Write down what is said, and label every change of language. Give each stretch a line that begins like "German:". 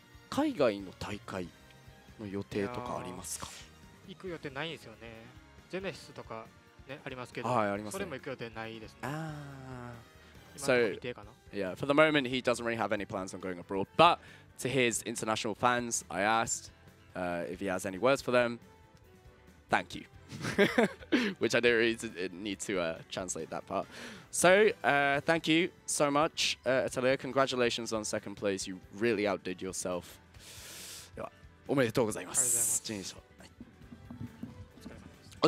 Japanese: 海外の大会の予定とかありますか？行く予定ないんですよね。ジェネシスとか、ね、ありますけど、はい、ありますね、それも行く予定ないですね。あ今の未定かな。
English: So, yeah, for the moment he doesn't really have any plans on going abroad, but to his international fans I asked if he has any words for them, thank you which I didn't really need to translate that part. So thank you so much Atelier, congratulations on second place, you really outdid yourself
Japanese: おめでとうございます。ありがとうございます。